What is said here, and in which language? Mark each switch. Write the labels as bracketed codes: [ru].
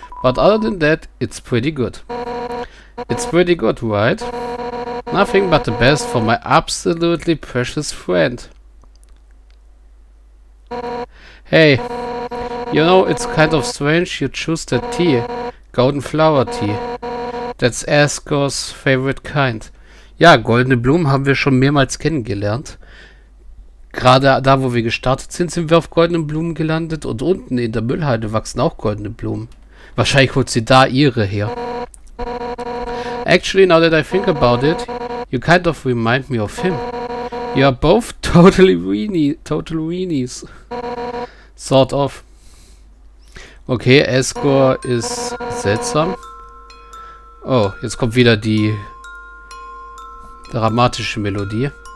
[en] But other than that, it's pretty good. It's pretty good, right? Nothing but the best for my absolutely precious friend. Hey, you know, it's kind of strange you choose that tea. Golden Flower Tea. That's Asgore's favorite kind. [de] Ja, goldene Blumen haben wir schon mehrmals kennengelernt. Gerade da, wo wir gestartet sind, sind wir auf goldenen Blumen gelandet. Und unten in der Müllhalde wachsen auch goldene Blumen. Wahrscheinlich holt sie da ihre her. [en] Actually, now that I think about it, you kind of remind me of him. You are both total weenies. Sort of. [de] Okay, Asgore ist seltsam. Oh, jetzt kommt wieder die dramatische Melodie.